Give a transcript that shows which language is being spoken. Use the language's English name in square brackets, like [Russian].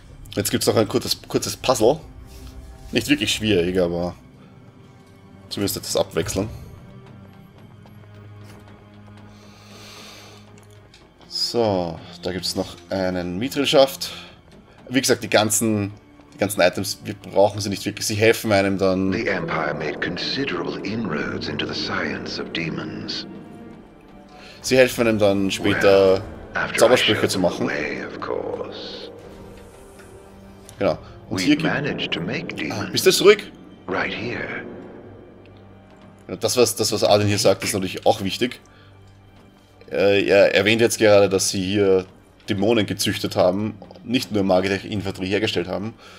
[German] Jetzt gibt es noch ein kurzes Puzzle. Nicht wirklich schwierig, aber zumindest etwas abwechseln. So, da gibt es noch einen Mithril-Schaft. Wie gesagt, die ganzen Items, wir brauchen sie nicht wirklich. Sie helfen einem dann. [English] The Empire made considerable inroads into the science of demons. [German] Sie helfen einem dann später, well, Zaubersprüche zu machen. [English] Way, of course. [German] Genau. Und hier [English] managed to make demons. [German] Ah, bist du zurück? [English] Right here. [German] Ja, das was Arden hier sagt, ist natürlich auch wichtig. Er erwähnt jetzt gerade, dass sie hier Dämonen gezüchtet haben, nicht nur Magier-Infanterie hergestellt haben.